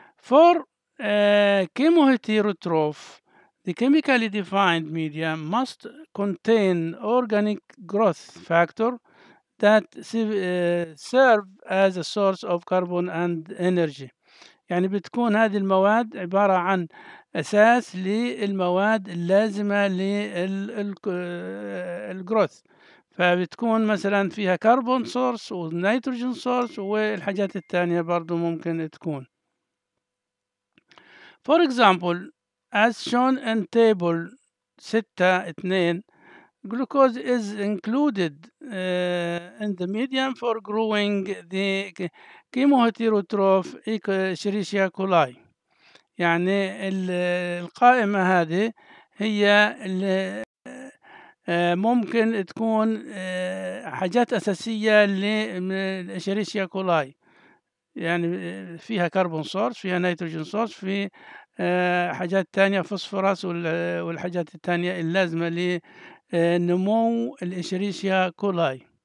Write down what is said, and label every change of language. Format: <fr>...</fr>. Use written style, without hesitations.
<en>For chemoheterotroph, the chemically defined media must contain organic growth factor that serve as a source of carbon and energy.</en> <ar>يعني بتكون هذه المواد عبارة عن أساس للمواد اللازمة للgrowth. فبتكون مثلا فيها carbon source ونيتروجين source والحاجات الثانية برضو ممكن تكون.</ar> <en>For example, as shown in table 6.2, glucose is included in the medium for growing the chemoheterotroph Escherichia coli.</en> <ar>يعني القائمة هذه هي ممكن تكون حاجات أساسية لEscherichia coli. يعني فيها كربون سورس، فيها نيتروجين سورس، في حاجات تانية فوسفورس والحاجات التانية اللازمة ل نمو الإشريشيا كولاي.</ar>